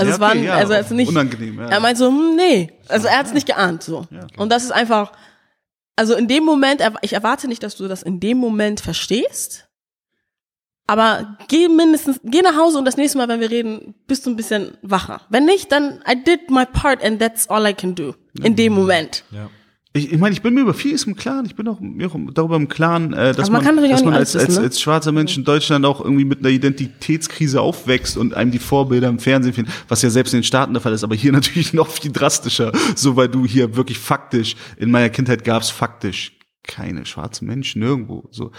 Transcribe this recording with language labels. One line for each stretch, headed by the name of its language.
German: Unangenehm. Ja. Er meinte so, nee. Also er hat es nicht geahnt. So. Ja, okay. Und das ist einfach, also in dem Moment, ich erwarte nicht, dass du das in dem Moment verstehst, aber geh nach Hause und das nächste Mal, wenn wir reden, bist du ein bisschen wacher. Wenn nicht, dann
English: I did my part and that's all I can do.
German: In dem Moment. Ja. Ich meine, ich bin mir über vieles im Klaren, ich bin auch mir darüber im Klaren, dass man als schwarzer Mensch in Deutschland auch irgendwie mit einer Identitätskrise aufwächst und einem die Vorbilder im Fernsehen fehlen, was ja selbst in den Staaten der Fall ist, aber hier natürlich noch viel drastischer, so weil du hier wirklich faktisch, in meiner Kindheit gab es faktisch keine schwarzen Menschen nirgendwo, so.